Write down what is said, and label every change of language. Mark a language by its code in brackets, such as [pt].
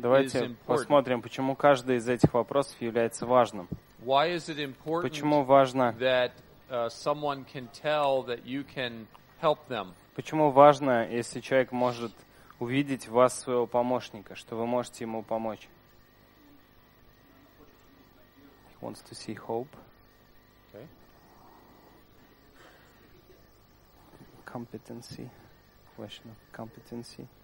[ru] Давайте посмотрим, почему каждый из этих вопросов является важным. [en] Why is it important? [ru] Почему важно? [en] That someone can tell that you can help them. [ru] Почему важно, если человек может увидеть в вас своего помощника, что вы можете ему помочь? [en] He wants to see hope. Okay. Competency. Question of competency.